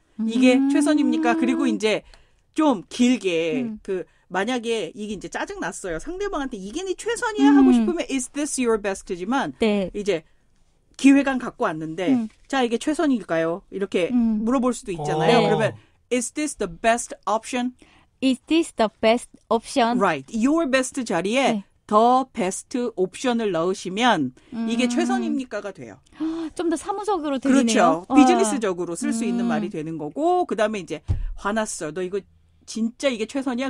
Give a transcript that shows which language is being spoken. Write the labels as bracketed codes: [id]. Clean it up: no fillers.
[ko] 이게 최선입니까? 그리고 이제 좀 길게 그 만약에 이게 이제 짜증 났어요. 상대방한테 이게 네 최선이야 하고 싶으면 [en] is this your best [ko] 지만 네. 이제 기획안 갖고 왔는데 자 이게 최선일까요? 이렇게 물어볼 수도 있잖아요. 네. 그러면 [en] is this the best option? Is this the best option? Right. [ko] Your best 자리에 네. the best option을 넣으시면 이게 최선입니까가 돼요. 좀 더 사무적으로 들리네요. 그렇죠. 비즈니스적으로 쓸 수 있는 말이 되는 거고 그 다음에 이제 화났어. 너 이거 진짜 이게 최선이야?